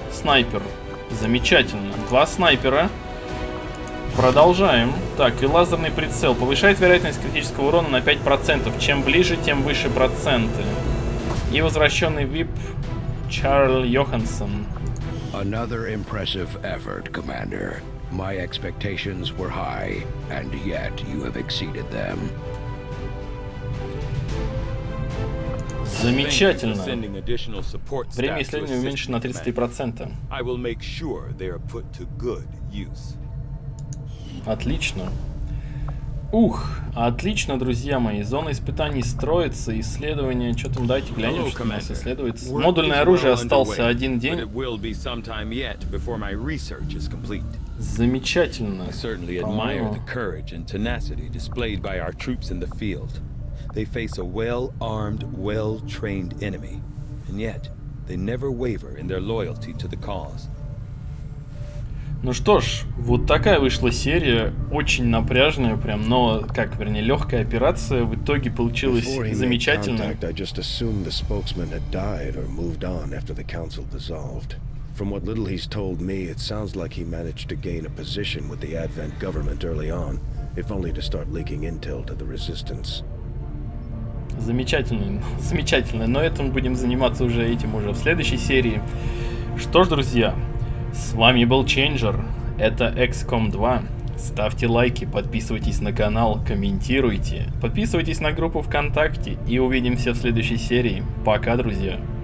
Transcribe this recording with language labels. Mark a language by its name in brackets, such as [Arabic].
[Russian] Снайпер, замечательно. Два снайпера. Продолжаем. Так, и лазерный прицел. Повышает вероятность критического урона на 5%. Чем ближе, тем выше проценты. И возвращенный VIP Чарль Йоханссон. [English] Another impressive effort, commander. My expectations were high, and yet you have exceeded them. [Russian] Замечательно. Время исследования уменьшено на 33%. [English] I will make sure they are put to good use. [Russian] Отлично. Ух, отлично, друзья мои. Зона испытаний строится, исследование... Что там, давайте глянем, что у нас исследуется. Модульное оружие остался один день. Замечательно. [English] I certainly admire the courage and tenacity displayed by our troops in the field. They face a well-armed, well-trained enemy, and yet they never waver in their loyalty to the cause. [Russian] Ну что ж, вот такая вышла серия, очень напряжная прям, но как, вернее, легкая операция в итоге получилась замечательно. [English] Contact, I just assumed the spokesman had died or moved on after the council dissolved. From what little he's told me, it sounds like he managed to gain a position with the Advent government early on, if only to start leaking intel to the resistance. [Russian] Замечательно, замечательно. Но это мы будем заниматься уже этим уже в следующей серии. Что ж, друзья, с вами был Changer. Это XCOM 2. Ставьте лайки, подписывайтесь на канал, комментируйте, подписывайтесь на группу ВКонтакте и увидимся в следующей серии. Пока, друзья!